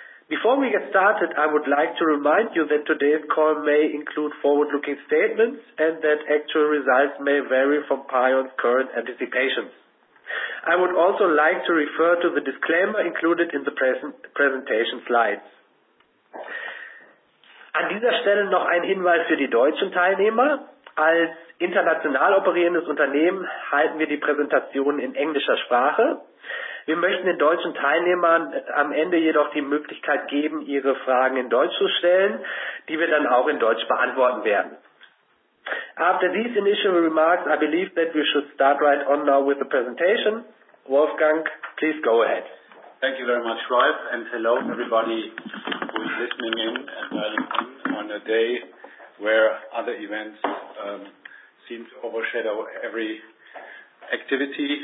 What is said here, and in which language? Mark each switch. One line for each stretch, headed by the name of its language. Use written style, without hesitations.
English: Before we get started, I would like to remind you that today's call may include forward-looking statements and that actual results may vary from PION's current anticipations. I would also like to refer to the disclaimer included in the presentation slides.
German: An dieser Stelle noch ein Hinweis für die deutschen Teilnehmer. Als international operierendes Unternehmen halten wir die Präsentation in englischer Sprache. Wir möchten den deutschen Teilnehmern am Ende jedoch die Möglichkeit geben, ihre Fragen in Deutsch zu stellen, die wir dann auch in Deutsch beantworten werden.
English: After these initial remarks, I believe that we should start right on now with the presentation. Wolfgang, please go ahead. Thank you very much, Ralf, and hello everybody who is listening in and dialing in on a day where other events seem to overshadow every activity.